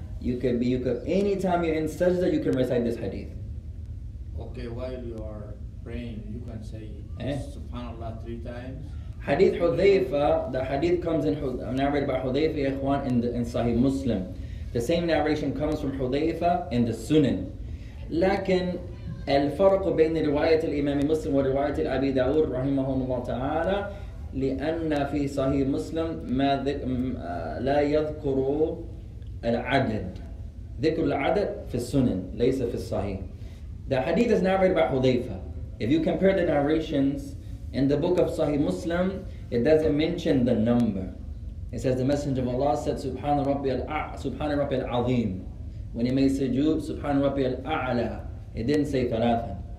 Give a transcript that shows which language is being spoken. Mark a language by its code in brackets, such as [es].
[en] You could, anytime you're in sajda, you can recite this hadith. Okay, while you are praying, you can say subhanAllah three times. Hadith Hudhaifa, the hadith comes in, narrated by Hudhaifa, ikhwan, in Sahih Muslim. The same narration comes from Hudhaifa in the Sunan. [ar] لكن الفرق بين رواية الإمام مسلم ورواية أبي داود رحمه الله تعالى لأن في صحيح مسلم ما لا يذكر العدد ذكر العدد في السنن ليس في الصحيح. [en] The hadith is narrated by Hudhaifa. If you compare the narrations in the book of Sahih Muslim, it doesn't mention the number. It says the Messenger of Allah said Subhana Rabbi al-Azim. When he made sujood, Subhan Rabbi al-A'la, it didn't say thalatha.